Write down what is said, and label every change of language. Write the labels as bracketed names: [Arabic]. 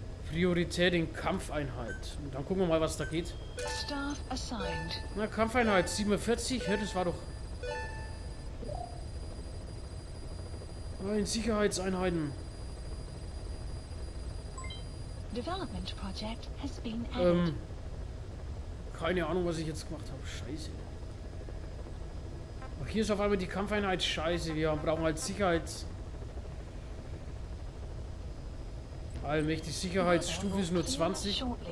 [German] Priorität in Kampfeinheit. Und dann gucken wir mal, was da geht. [English] Staff assigned. [German] Na, Kampfeinheit 47. Hä, das war doch. In Sicherheitseinheiten. [English] Development Project has been added. [German] Keine Ahnung, was ich jetzt gemacht habe. Scheiße. Ach, hier ist auf einmal die Kampfeinheit. Scheiße. Wir brauchen halt Sicherheits. Allmächtig. Sicherheitsstufe ist nur 20.